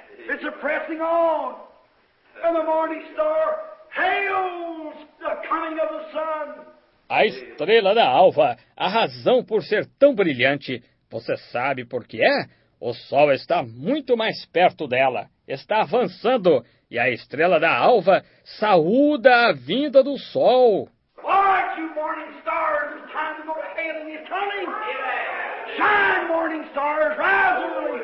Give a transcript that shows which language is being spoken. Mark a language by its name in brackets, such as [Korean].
[English] It's pressing on, and the morning star hails the coming of the sun. [Portuguese] A estrela da alva, a razão por ser tão brilhante, você sabe por que é? O sol está muito mais perto dela, está avançando, e a estrela da alva saúda a vinda do sol. [English] Watch, you morning stars, it's time to go to heaven, he's coming. Shine, morning stars, rise early.